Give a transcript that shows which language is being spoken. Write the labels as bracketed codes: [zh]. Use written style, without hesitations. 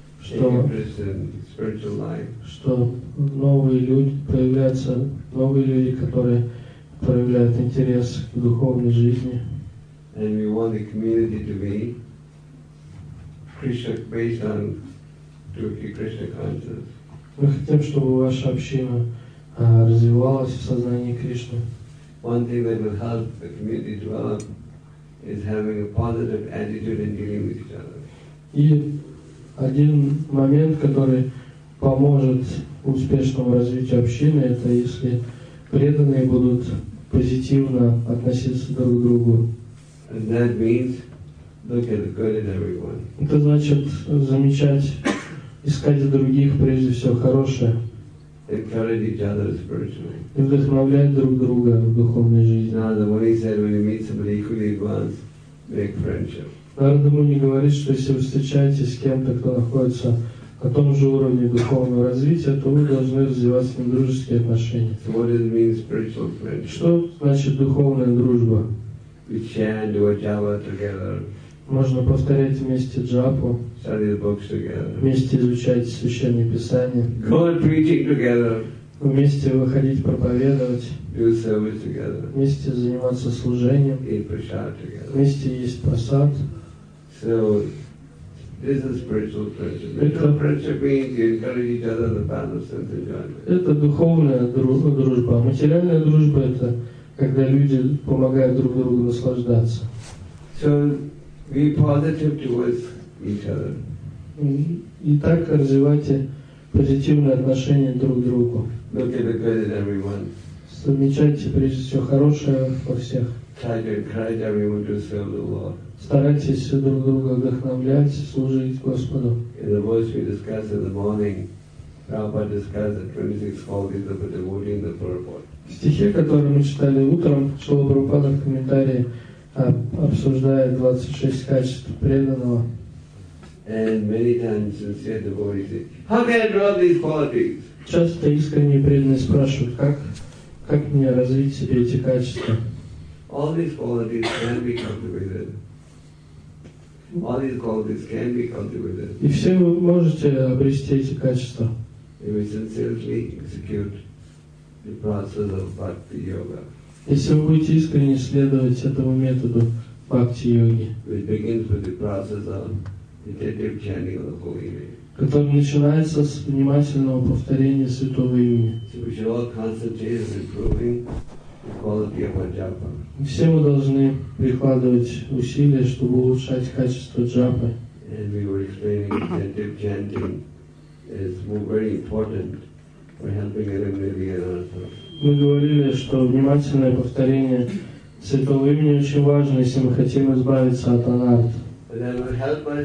[ru] Что новые люди появляются, новые люди, которые проявляют интерес к духовной жизни. [en] And we want the community to be Krishna based on true Krishna consciousness. [ru] Мы хотим, чтобы ваша община развивалась в сознании Кришны. [en] One thing that will help the community develop is having a positive attitude in dealing with each other. [ru] И один момент, который поможет успешному развитию общины, это если преданные будут позитивно относиться друг к другу. [en] And that means look at the good in everyone. [ru] Это значит замечать, искать других прежде всего хорошее. [en] Encourage each other spiritually. [ru] И вдохновлять друг друга в духовной жизни. [en] Now, the way he said, when you meet somebody equally advanced, make friendship. [ru] Нарада Муни говорит, что если вы встречаетесь с кем-то, кто находится на том же уровне духовного развития, то вы должны развивать с ним дружеские отношения. [en] So what does it mean, spiritual friendship? [ru] Что значит духовная дружба? [en] We chant, do a japa together. [ru] Можно повторять вместе джапу. [en] Study the books together. [ru] Вместе изучать священные писания. [en] Go and preaching together. [ru] Вместе выходить проповедовать. [en] Do service together. [ru] Вместе заниматься служением. [en] Eat prasad together. [ru] Вместе есть просад. [en] So this is spiritual friendship. [ru] Это [en] friendship means you encourage each other in the path of sense enjoyment. [ru] Это духовная дружба. Материальная дружба — это когда люди помогают друг другу наслаждаться. [en] So be positive towards each other. [ru] И так развивайте позитивные отношения друг к другу. [en] Look at the good in everyone. [ru] Замечайте прежде всего хорошее во всех. [en] Try to encourage everyone to serve the Lord. [ru] Старайтесь друг друга вдохновлять, служить Господу. [en] In the voice we discussed in the morning, Prabhupada discussed the 26 qualities of a devotee in the purport. [ru] В стихе, который мы читали утром, Шрила Прабхупада в комментарии обсуждает 26 качеств преданного. [en] And many times sincere devotees say, how can I draw these qualities? [ru] Часто искренне преданные спрашивают, как мне развить себе эти качества. [en] All these qualities can be cultivated. All these qualities can be cultivated. [ru] И все вы можете обрести эти качества. [en] If we sincerely execute the process of bhakti yoga. [ru] Если вы будете искренне следовать этому методу бхакти йоги. [en] Which begins with the process of intensive chanting of the holy name. [ru] Который начинается с внимательного повторения святого имени. [en] So we should all concentrate on improving the quality of our japa. [ru] Все мы должны прикладывать усилия, чтобы улучшать качество джапы. [en] And we were explaining intensive chanting is very important. [ru] Мы говорили, что внимательное повторение святого имени очень важно, если мы хотим избавиться от анарт.